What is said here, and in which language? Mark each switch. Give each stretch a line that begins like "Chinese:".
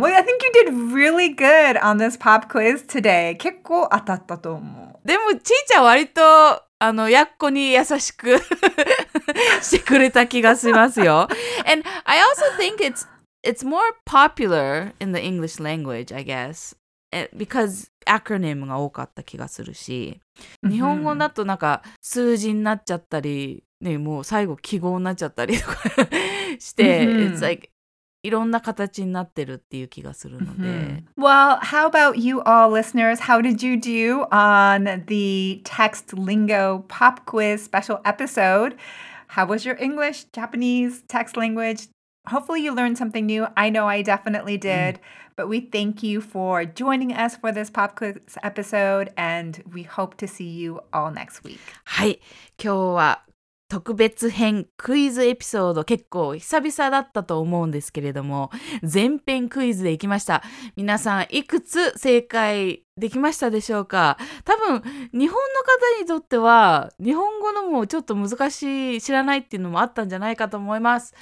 English: Well, I think you did really good on this pop quiz today.
Japanese: 結構当たったと思う。でも、ちーちゃん割と、あの、やっこに優しくしてくれた気がしますよ。
English: And I also think it's more popular in the English language, I guess. Because...
Japanese: アクロニムが多かった気がするし日本語だとなんか数字になっちゃったり、ね、もう最後記号になっちゃったりとかして、mm-hmm.
English: It's like,
Japanese: いろんな形になってるっていう気がするので、
English: mm-hmm. Well, how about you all listeners? How did you do on the Text Lingo Pop Quiz special episode? How was your English, Japanese, text language? Hopefully you learned something new. I know I definitely did.、Mm-hmm. But we thank you for joining us for this pop quiz episode, and we hope to see you all next week.
Japanese: はい、今日は特別編クイズエピソード結構久々だったと思うんですけれども、前編クイズでいきました。皆さんいくつ正解できましたでしょうか。多分日本の方にとっては日本語のもちょっと難しい知らないっていうのもあったんじゃないかと思います。